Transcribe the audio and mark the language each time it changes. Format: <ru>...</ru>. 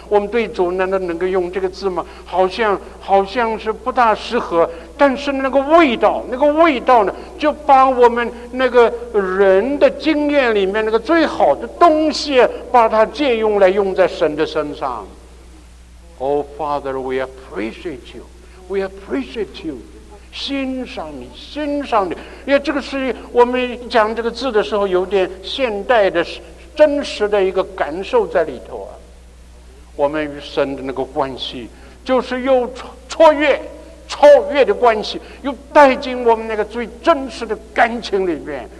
<zh>我们对主难道能够用这个字吗？好像是不大适合。但是那个味道，那个味道呢，就把我们那个人的经验里面那个最好的东西，把它借用来用在神的身上。</zh> <en>Oh Father, we appreciate you. We appreciate you.</en> <zh>欣赏你，欣赏你。因为这个是我们讲这个字的时候有点现代的真实的一个感受在里头啊。我们与神的那个关系就是有超越，超越的关系，又带进我们那个最真实的感情里面。</zh>